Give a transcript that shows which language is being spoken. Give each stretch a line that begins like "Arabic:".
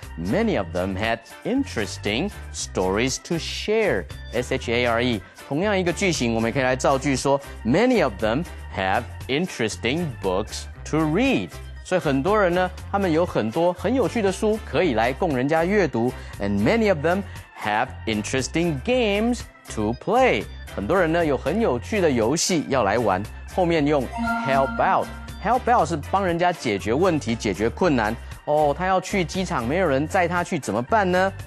English: many of them had interesting stories to share. S-H-A-R-E.
Chinese: 同样一个句型，我们可以来造句说
English: many of them have interesting books to read.
Chinese: 所以很多人呢，他们有很多很有趣的书可以来供人家阅读。
English: And many of them have interesting games to play.
Chinese: 很多人呢，有很有趣的游戏要来玩。后面用 help out. Help out 是帮人家解决问题，解决困难。哦，他要去机场，没有人载他去，怎么办呢？